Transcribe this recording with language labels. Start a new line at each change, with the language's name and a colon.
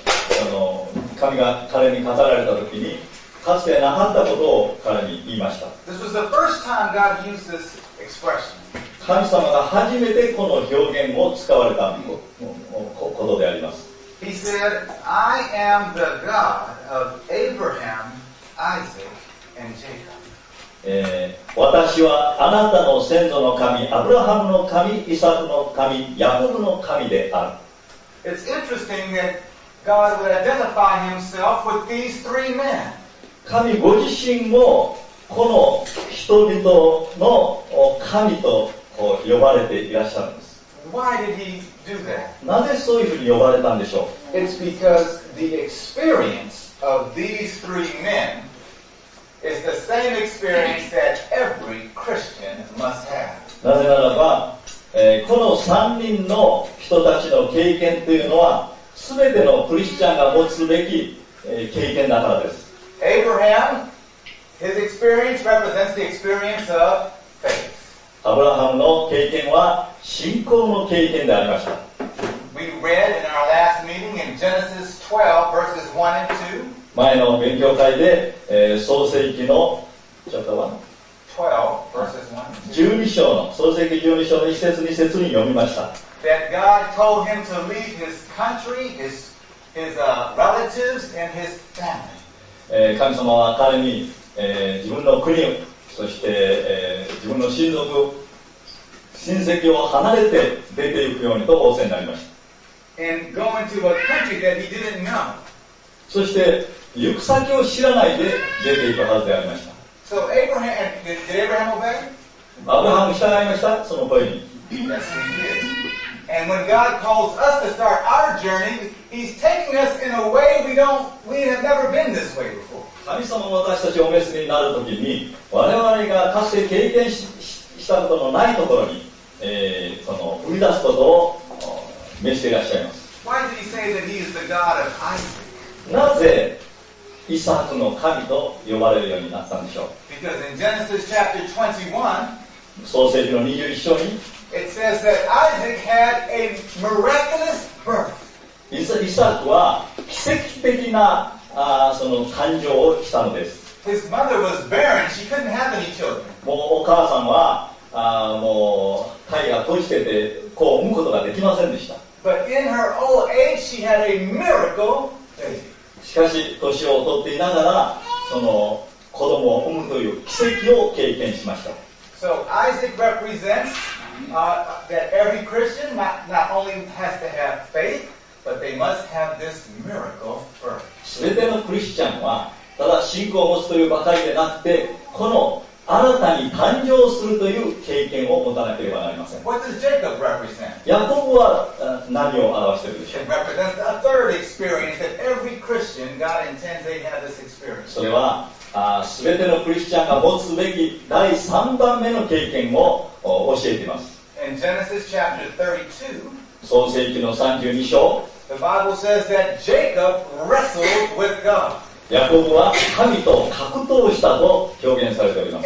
Japanese: その神が彼に語られたときにかつてなかったことを彼に言いました。
English: This was the first time God used this expression.
Japanese: 神様が初めてこの表現を使われたことであります。
English: He said, I am the God of Abraham, Isaac, and Jacob.
Japanese: 私はあなたの先祖の神、アブラハムの神、イサクの神、ヤコブの神である。
English: It's interesting that God would identify himself with these three men.
Japanese: 神ご自身もこの人々の神と呼ばれていらっしゃるんです。
English: Why did he do that?
Japanese: なぜそういうふうに呼ばれたんでしょう?
English: It's because the experience of these three men is the same experience that every Christian must have.
Japanese: なぜならば、この三人の人たちの経験というのは全てのクリスチャンが持つべき、経験だからです。
English: アブラハム、his experience represents the experience of faith.
Japanese: アブラハムの経験は信仰の経験でありました。
English: we read in our last meeting in Genesis 12, verses 1 and 2.
Japanese: 前の勉強会で、創世記の、ちょっと待って、12章の、創世記12章の1節2節に読みました。
English: That God told him to leave his country, his relatives, and his family.
Japanese: 神様は彼に、自分の国、そして、自分の親族、親戚を離れて出ていくようにと仰せになりました。
English: And going to a country that he didn't know.
Japanese: そして行く先を知らないで出ていくはずでありました。
English: So Abraham, did Abraham obey?
Japanese: アブラハム従いました、その声に。
English: Yes, he did. And when God calls us to start our journey, He's taking us in a way we have never been this way before.
Japanese: 神様が私たちをお召しになるときに、我々がかつて経験したことのないところに、その踏み出すことを召していらっしゃいます。
English: Why did He say that He is the God of Isaac?
Japanese: なぜイサクの神と呼ばれるようになったんでしょう。
English: Because in Genesis chapter 21,
Japanese: 創世記の21章に、
English: it says that Isaac had a miraculous birth.
Japanese: イサクは奇跡的なその誕生をしたのです。
English: His mother was barren. She couldn't have any children.
Japanese: もうお母さんはもう胎が閉じてて子を産むことができませんでした。
English: But in her old age, she had a miracle.
Japanese: しかし年を取っていながらその子供を産むという奇跡を経験しました。
English: So Isaac represents that every Christian not only has to have faith, but they must have this miracle first.
Japanese: 全てのクリスチャンはただ信仰を持つというばかりでなくて、この新たに誕生するという経験を持たなければなりません。
English: What does Jacob represent?
Japanese: ヤコブは何を表しているでしょう。
English: It represents a third experience that every Christian God intends they have this experience.
Japanese: それは全てのクリスチャンが持つべき第3番目の経験を教えています。
English: In Genesis chapter 32,
Japanese: 創世記の32章、
English: The Bible says that Jacob wrestled with God.
Japanese: ヤコブは神と格闘したと表現されております。